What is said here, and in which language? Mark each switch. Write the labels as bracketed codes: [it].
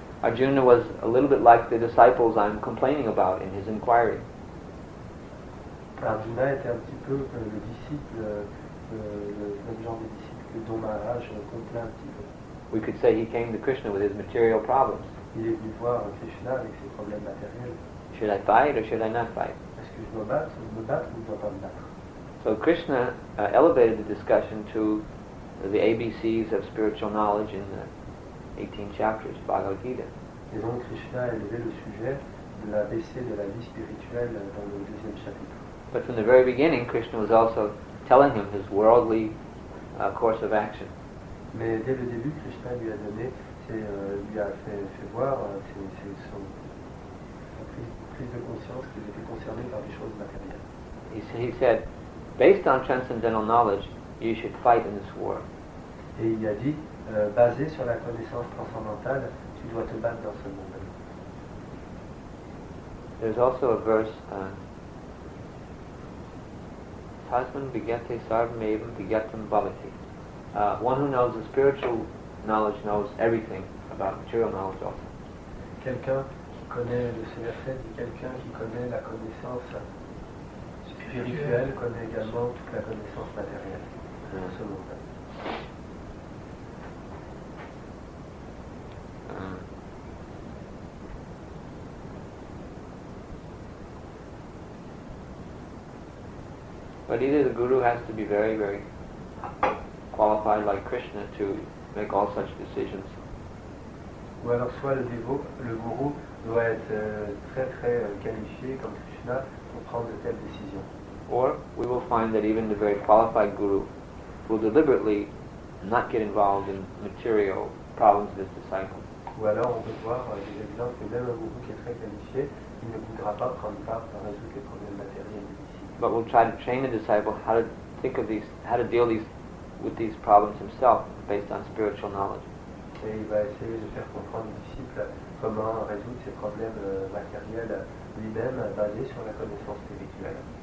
[en] Arjuna was a little bit like the disciples I'm complaining about in his inquiry. [fr] Arjuna était un petit peu le disciple, le genre de disciple que Don Maharaj complaint un petit peu. [en] We could say he came to Krishna with his material problems. [fr] Il est venu voir Krishna avec ses problèmes matériels. [en] Should I fight or should I not fight? [fr] Est-ce que je dois battre ou je dois battre ou je dois pas me battre? [en] So Krishna elevated the discussion to the ABCs of spiritual knowledge in the 18 chapters of Bhagavad Gita. [fr] Et donc Krishna a élevé le sujet de l'ABC de la vie spirituelle dans le deuxième chapitre. [en] But from the very beginning, Krishna was also telling him his worldly course of action. [fr] Mais dès le début, Krishna lui a donné, lui a fait voir son prise de conscience qu'il était concerné par des choses matérielles. [en] He said, based on transcendental knowledge, you should fight in this war. [fr] Et il a dit, basé sur la connaissance transcendantale, tu dois te battre dans ce monde. [en] There's also a verse, [sa] Tasman Bhigyate Sarvamevam Bhigyatam Bhavati. [en] One who knows the spiritual knowledge knows everything about material knowledge also. [fr] Quelqu'un qui connaît le verset dit quelqu'un qui connaît la connaissance spirituelle connaît également toute la connaissance matérielle de ce monde. [en] But either the guru has to be very, very qualified like Krishna to make all such decisions. [fr] Ou alors soit le dévot, le guru doit être très très qualifié comme Krishna pour prendre de telles décisions. [en] Or we will find that even the very qualified guru will deliberately not get involved in material problems of his disciple. [fr] Ou alors on peut voir des exemples que même un guru qui est très qualifié, il ne voudra pas prendre part à résoudre les problèmes matériels. [en] But we'll try to train the disciple how to think of these, how to deal these with these problems himself based on spiritual knowledge. [fr] Et il va essayer de faire comprendre aux disciples comment résoudre ces problèmes matériels lui-même basés sur la connaissance spirituelle.